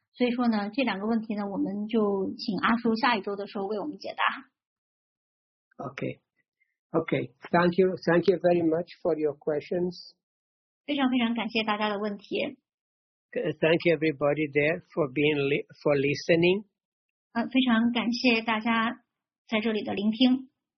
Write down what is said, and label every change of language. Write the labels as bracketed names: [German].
[Chinese] 所以说呢，这两个问题呢，我们就请阿叔下一周的时候为我们解答。 [English] Okay. Thank you. Thank you very much for your questions. [Chinese] 非常非常感谢大家的问题。 [English] Thank you everybody there for being for listening. [Chinese] 非常感谢大家在这里的聆听。